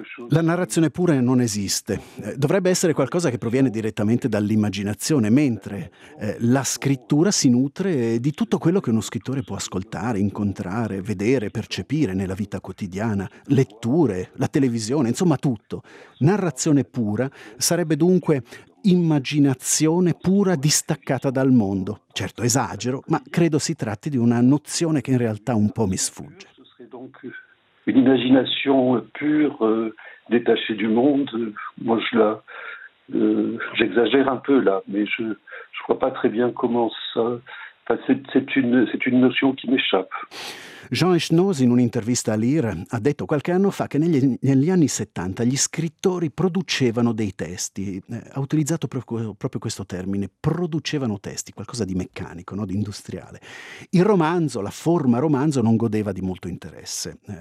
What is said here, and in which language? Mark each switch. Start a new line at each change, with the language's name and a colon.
Italian: La narrazione pura non esiste. Dovrebbe essere qualcosa che proviene direttamente dall'immaginazione, mentre la scrittura si nutre di tutto quello che uno scrittore può ascoltare, incontrare, vedere, percepire nella vita quotidiana, letture, la televisione, insomma tutto. Narrazione pura sarebbe dunque immaginazione pura distaccata dal mondo. Certo, esagero, ma credo si tratti di una nozione che in realtà un po' mi sfugge.
French: Une imagination pure, détachée du monde, moi je la J'exagère un peu là, mais je ne vois pas très bien comment ça... Enfin, c'est une notion qui m'échappe.
Italian: Jean Echenoz, in un'intervista a Lire, ha detto qualche anno fa che negli anni 70 gli scrittori producevano dei testi. Ha utilizzato proprio questo termine, producevano testi, qualcosa di meccanico, no? Di industriale. Il romanzo, la forma romanzo, non godeva di molto interesse.